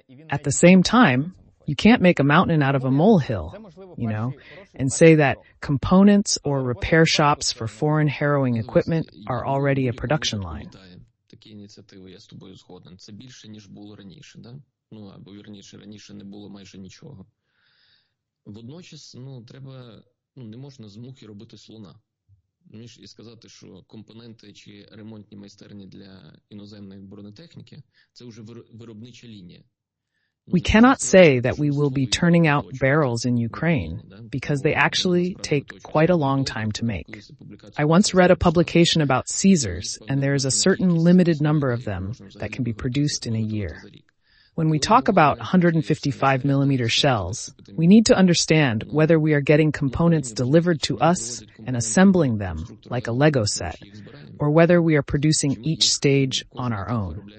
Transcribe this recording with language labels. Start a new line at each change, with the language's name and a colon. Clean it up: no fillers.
English: At the same time, you can't make a mountain out of a molehill, you know, and say that components or repair shops for foreign harrowing equipment are already a production line.
Ukrainian: Такі ініціативи, я з тобою згоден. Це більше, ніж було раніше, да? Ну, або вірніше, раніше не було майже нічого. Водночас, ну, треба, ну, не можна з мухи робити слона. Ніж і сказати, що компоненти чи ремонтні майстерні для іноземної бронетехніки – це вже виробнича лінія.
English: We cannot say that we will be turning out barrels in Ukraine, because they actually take quite a long time to make. I once read a publication about Caesars, and there is a certain limited number of them that can be produced in a year. When we talk about 155mm shells, we need to understand whether we are getting components delivered to us and assembling them, like a Lego set, or whether we are producing each stage on our own.